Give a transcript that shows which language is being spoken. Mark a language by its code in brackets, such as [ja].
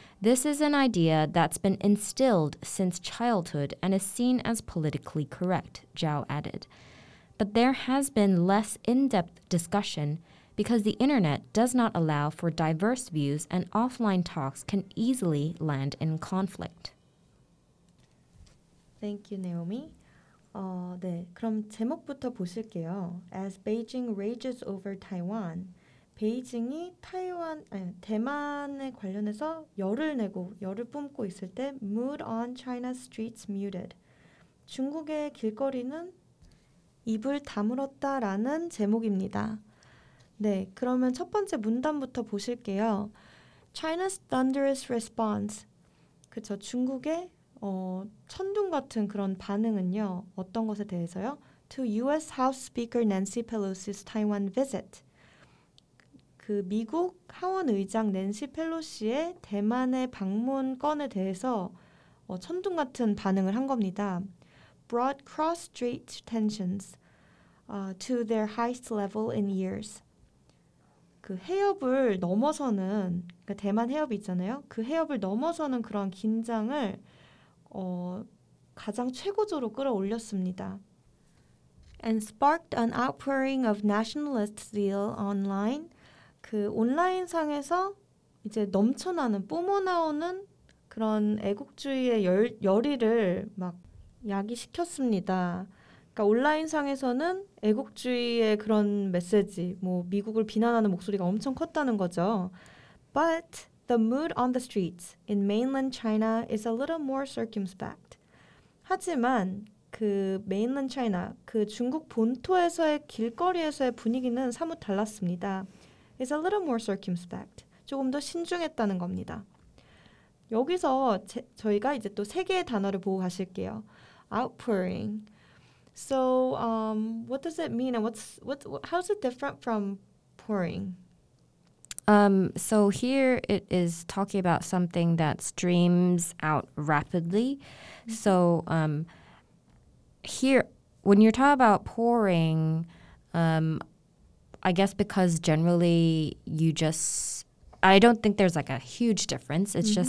[en] This is an idea that's been instilled since childhood and is seen as politically correct, Zhao added. But there has been less in-depth discussion because the internet does not allow for diverse views and offline talks can easily land in conflict. Thank you, Naomi. [ko] 네, 그럼 제목부터 보실게요. [en] As Beijing rages over Taiwan. [ko] 베이징이 타이완, 아니, 대만에 관련해서 열을 내고 열을 뿜고 있을 때 [en] mood on China's streets muted. [ko] 중국의 길거리는 입을 다물었다라는 제목입니다. 네, 그러면 첫 번째 문단부터 보실게요. [en] China's thunderous response. [ko] 그렇죠. 중국의 천둥 같은 그런 반응은요. 어떤 것에 대해서요? [en] To US House Speaker Nancy Pelosi's Taiwan visit. [ko] 그 미국 하원의장 낸시 펠로시의 대만의 방문권에 대해서 천둥 같은 반응을 한 겁니다. [en] Brought cross-strait tensions to their highest level in years. [ko] 그 해협을 넘어서는 그러니까 대만 해협 있잖아요. 그 해협을 넘어서는 그런 긴장을 가장 최고조로 끌어올렸습니다. [en] And sparked an outpouring of nationalist zeal online. [ko] 그 온라인 상에서 이제 넘쳐나는 뿜어나오는 그런 애국주의의 열의를 막 야기시켰습니다. 그러니까 온라인 상에서는 애국주의의 그런 메시지, 뭐 미국을 비난하는 목소리가 엄청 컸다는 거죠. [en] But the mood on the streets in mainland China is a little more circumspect. [ko] 하지만 그 mainland China, 그 중국 본토에서의 길거리에서의 분위기는 사뭇 달랐습니다. [en] It's a little more circumspect. [ko] 조금 더 신중했다는 겁니다. 여기서 저희가 이제 또 세 개의 단어를 보고 가실게요. [en] Outpouring. So, what does it mean, and how is it different from pouring? So here it is talking about something that streams out rapidly. Mm-hmm. So, here when you're talking about pouring, I guess because generally you just, I don't think there's like a huge difference. It's mm-hmm.